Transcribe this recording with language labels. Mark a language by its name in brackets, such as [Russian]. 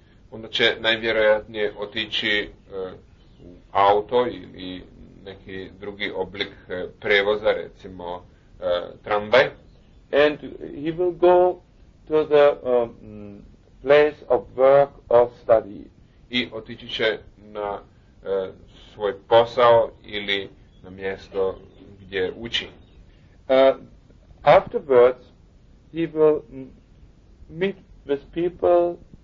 [Bosnian] Onda će najvjerojatnije otići u auto ili neki drugi oblik prevoza, recimo tramvaj. [English] And he will go to the place of work or study. [Bosnian] I otići će na svoj posao ili na mjesto gdje uči. [English] Afterwards, he will meet with people.